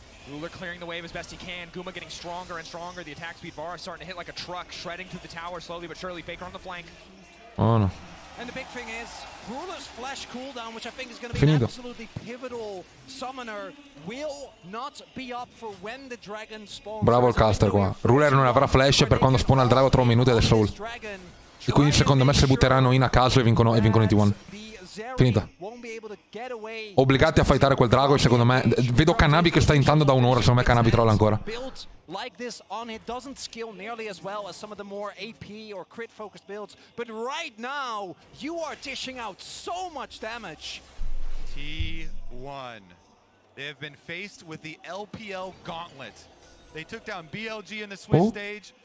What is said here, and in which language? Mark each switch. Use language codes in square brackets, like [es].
[en] Ruler clearing the wave as best he can. Guma getting stronger and stronger. The attack speed bar is starting to hit like a truck, shredding through the tower slowly but surely. Faker on the flank. Oh no. And the big thing is, Ruler's flash cooldown, which I think is going to be an absolutely pivotal summoner, will not be up for when the dragon spawns. [it] Bravo il caster qua. Ruler non avrà flash per quando spawna il drago tra un minuto e The Soul. E quindi secondo me se butteranno in a caso e vincono i T1. Finita. Obbligati a fightare quel drago e secondo me... Vedo Cannabi che sta intando da un'ora, secondo me Cannabi troll ancora. [en] Like this on it doesn't skill nearly as well as some of the more AP or crit focused builds, but right now you are dishing out so much damage. T1, they have been faced with the LPL gauntlet. They took down BLG in the Swiss stage.